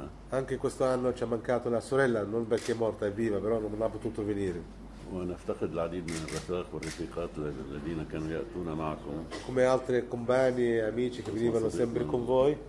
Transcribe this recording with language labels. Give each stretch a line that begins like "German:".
Italian: Anche questo anno ci ha mancato la sorella, non perché è morta, è viva, però non ha potuto venire.
Arabic: ونفتقد العديد من الرفاق والرفيقات الذين كانوا يأتون معكم.
Italian: Come altri compagni e amici che venivano sempre con voi.